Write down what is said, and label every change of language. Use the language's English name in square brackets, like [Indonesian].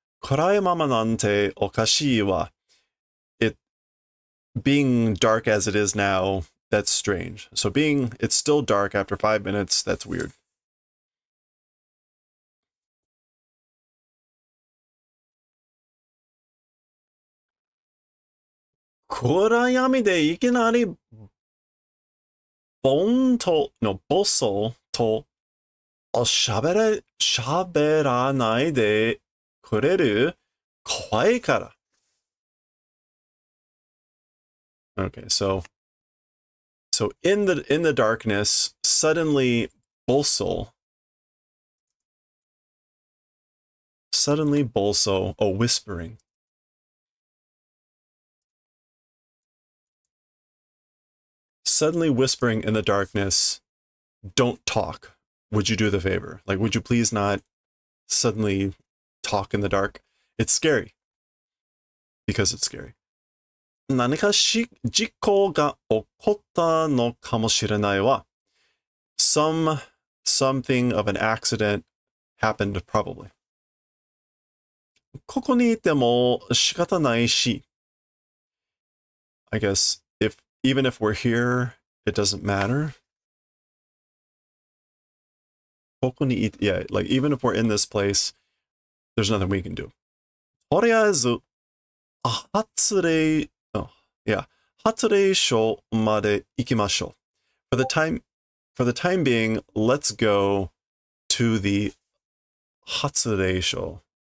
[Japanese] 暗いままなんておかしいわ [English] it being dark as it is now that's strange so being it's still dark after 5 minutes that's weird [Japanese] 暗闇でいきなりボンとのボソとおしゃべらないでくれる怖いから。 [English] Okay, so in the darkness, suddenly bolso, a whispering. Suddenly whispering in the darkness, don't talk. Would you do the favor? Like, would you please not suddenly talk in the dark? It's scary. Because it's scary. [Japanese] 何か事故が起こったのかもしれないわ。 [English] Something of an accident happened probably. [Japanese] ここにいても仕方ないし。 [English] I guess even if we're here,It doesn't matter. [Japanese] ここに行って、 [English] yeah, like even if we're in this place, there's nothing we can do. [Japanese] とりあえず、発令所まで行きましょう。 [English] For the time being, let's go to the 発令所。